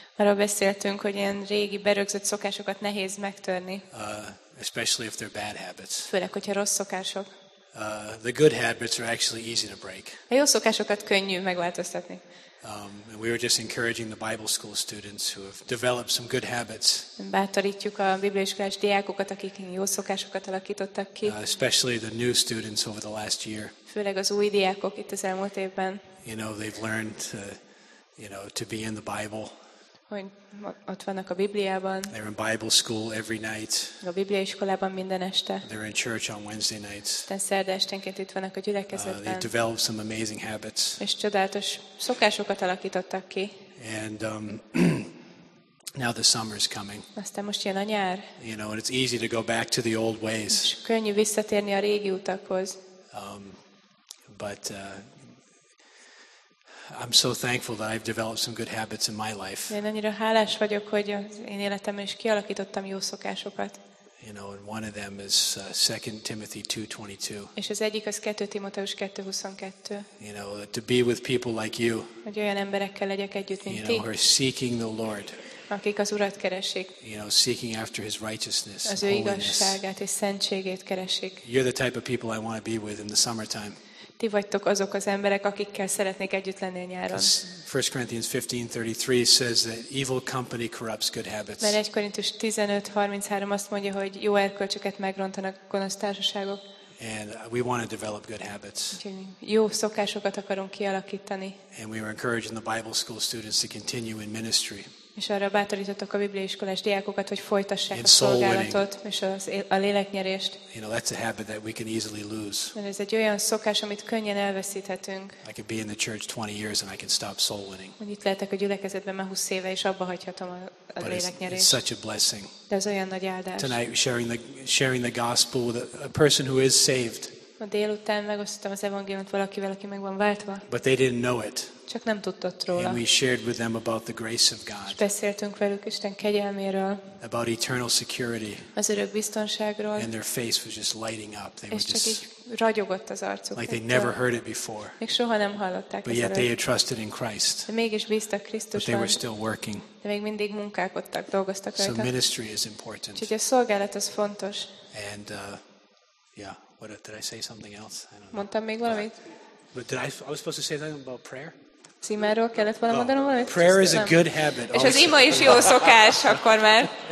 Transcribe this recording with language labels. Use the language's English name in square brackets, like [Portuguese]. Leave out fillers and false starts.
[Hungarian] Arról beszéltünk, hogy ilyen régi berögzött szokásokat nehéz megtörni. [English] Especially if they're bad habits. [Hungarian] Főleg, hogyha rossz szokások. [English] The good habits are actually easy to break. [Hungarian] A jó szokásokat könnyű megváltoztatni. [English] And we were just encouraging the Bible school students who have developed some good habits. [Hungarian] Bátorítjuk a bibliaiskolás diákokat, akik jó szokásokat alakítottak ki. [English] Especially the new students over the last year. [Hungarian] Főleg az új diákok itt az elmúlt évben. [English] You know, they've learned to be in the Bible. [Hungarian] Hogy ott vannak a Bibliában. [English] They're in Bible school every night. [Hungarian] A bibliaiskolában minden este. [English] They're in church on Wednesday nights. [Hungarian] De szerda esténként itt vannak a gyülekezetben. [English] They developed some amazing habits. [Hungarian] És csodálatos szokásokat alakítottak ki. [English] And now the summer is coming. [Hungarian] Aztán most jön a nyár. [English] You know, and it's easy to go back to the old ways. [Hungarian] És könnyű visszatérni a régi utakhoz. [English] I'm so thankful that I've developed some good habits in my life. [Hungarian] Én annyira hálás vagyok, hogy az én életemben is kialakítottam jó szokásokat. [English] You know, and one of them is 2 Timothy 2:22. [Hungarian] És az egyik az 2 Timóteus 2:22. [English] You know, to be with people like you. [Hungarian] Hogy olyan emberekkel legyek együtt, mint ti. [English] You know, who are seeking the Lord. [Hungarian] Akik az Urat keresik. [English] You know, seeking after his righteousness. [Hungarian] Az ő igazságát és szentségét keresik. [English] You're the type of people I want to be with in the summertime. [Hungarian] Ti vagytok azok az emberek, akikkel szeretnék együtt lenni a nyáron. [English] 1 Corinthians 15:33 says that evil company corrupts good habits. [Hungarian] Mert 1 Korintus 15:33 azt mondja, hogy jó erkölcsöket megrontanak gonosz társaságok. [English] And we want to develop good habits. [Hungarian] Jó szokásokat akarunk kialakítani. [English] And we were encouraging the Bible school students to continue in ministry. [Hungarian] És arra bátorítottak a bibliaiskolás diákokat, hogy folytassák a szolgálatot és a léleknyerést. [English] You know, that's a habit that we can easily lose. [Hungarian] Mert ez egy olyan szokás, amit könnyen elveszíthetünk. [English] I could be in the church 20 years and I can stop soul winning. [Hungarian] Hogy itt lehetek a gyülekezetben már 20 éve, és abba hagyhatom a léleknyerést. [English] It's such a blessing. [Hungarian] De ez olyan nagy áldás. [English] Tonight sharing the gospel with a person who is saved. [Hungarian] Ma délután megosztottam az evangéliumot valakivel, aki meg van váltva. [English] But they didn't know it. [Hungarian] Csak nem tudtott róla. [English] And we shared with them about the grace of God. [Hungarian] És beszéltünk velük Isten kegyelméről. [English] About eternal security. [Hungarian] Az örök biztonságról. [English] And their face was just lighting up. They [Hungarian] és csak így ragyogott az arcuk. [English] Like they never heard it before. [Hungarian] Még soha nem hallották. [English] But yet they had trusted in Christ. [Hungarian] De mégis bíztak Krisztusban. [English] But they were still working. [Hungarian] De még mindig munkálkodtak, dolgoztak rajta. [English] So ministry is important. [Hungarian] Úgyhogy a szolgálat az fontos. [English] And did I say something else? I don't know. [Hungarian] Mondtam még valamit? [English] But I was supposed to say something about prayer? [Hungarian] Címáról kellett volna mondanom valamit? [English] Prayer is a good habit. [Hungarian] És az ima is jó szokás, akkor már.